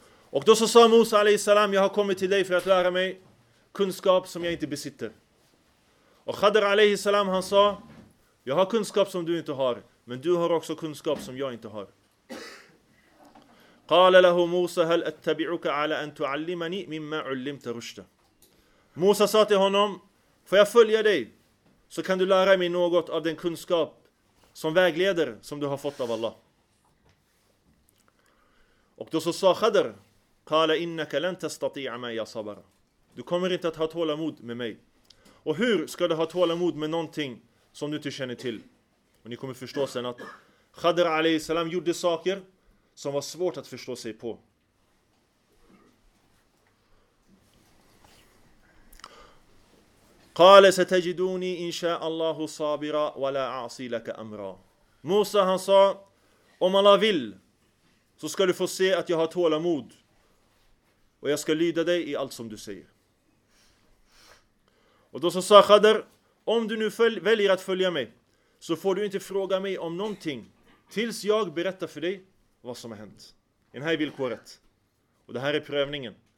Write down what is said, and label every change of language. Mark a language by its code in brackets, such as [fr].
[sv] Och då så sa Musa alaihissalam, jag har kommit till dig för att lära mig kunskap som jag inte besitter. Och Khadr alaihissalam, han sa, jag har kunskap som du inte har, men du har också kunskap som jag inte har. [ar] قال له موسى هل اتبعك على ان تعلمني مما علمت رشدا. [sv] Musa sa till honom, får jag följa dig så kan du lära mig något av den kunskap som vägleder som du har fått av Allah. Och då så sa Khadr, [ar] قال انك لن تستطيع معي صبرا. [sv] Du kommer inte att ha tålamod med mig. Och hur ska du ha tålamod med någonting som du inte känner till? Och ni kommer förstå sen att Khadr alayhi salam gjorde saker som var svårt att förstå sig på. [ar] قال ستجدوني ان شاء الله صابرا ولا اعصي لك امرا. [sv] Musa, han sa, om Allah vill så ska du få se att jag har tålamod och jag ska lyda dig i allt som du säger. Och då så sa Khadr, om du nu väljer att följa mig så får du inte fråga mig om någonting tills jag berättar för dig vad som har hänt. Det här är villkoret. Och det här är prövningen.